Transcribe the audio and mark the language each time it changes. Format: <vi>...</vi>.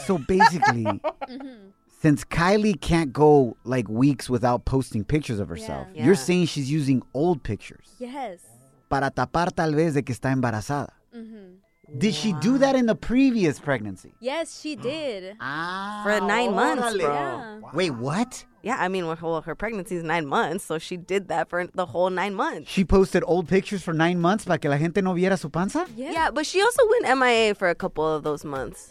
<en>So basically, since Kylie can't go like weeks without posting pictures of herself, you're saying she's using old pictures. Yes.</en> <es>Para tapar tal vez de que está embarazada.</es> <en>Mm-hmm. Did she do that in the previous pregnancy? Yes, she did. For 9 months, bro. Yeah. Wow. Wait, what? Yeah, I mean, well, her pregnancy is 9 months, so she did that for the whole 9 months. She posted old pictures for 9 months</en> <es>para que la gente no viera su panza?</es> <en>Yeah, but she also went MIA for a couple of those months.</en>